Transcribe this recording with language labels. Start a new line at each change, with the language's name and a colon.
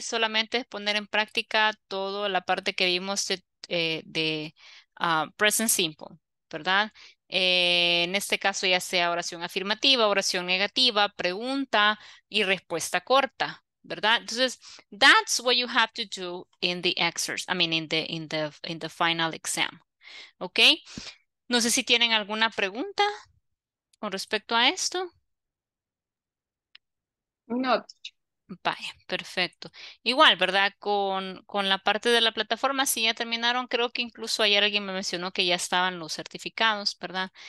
Spanish: Solamente es poner en práctica toda la parte que vimos de present simple, ¿verdad? En este caso ya sea oración afirmativa, oración negativa, pregunta y respuesta corta, ¿verdad?
English: Entonces, that's what you have to do in the exercise, I mean, in the final exam, ¿ok?
Spanish: No sé si tienen alguna pregunta con respecto a esto. No. Vaya, perfecto. Igual, ¿verdad? Con la parte de la plataforma, si ya terminaron, creo que incluso ayer alguien me mencionó que ya estaban los certificados, ¿verdad?